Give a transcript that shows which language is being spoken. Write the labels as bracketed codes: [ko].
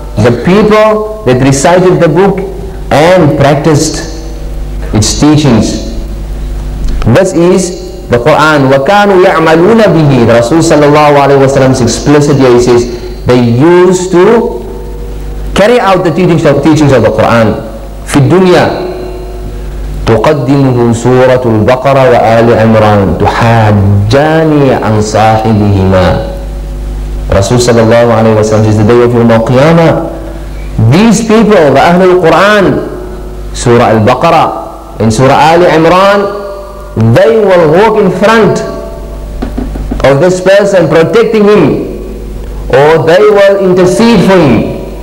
[en] The people that recited the book and practiced its teachings. This is the Quran. [ar] وَكَانُوا يَعْمَلُونَ بِهِ. [en] The Rasul sallallahu alayhi wa sallam is explicit here. He says, they used to carry out the teachings of the Quran. [ar] في الدنيا. تقدمه سورة البقرة وآل عمران تحاجاني عن صاحبهما. رسول صلى الله عليه وسلم [en] says the day of Yawm al-Qiyamah, these people, the Ahlul Quran, Surah Al-Baqarah and Surah Ali Imran, they will walk in front of this person protecting him, or they will intercede for him.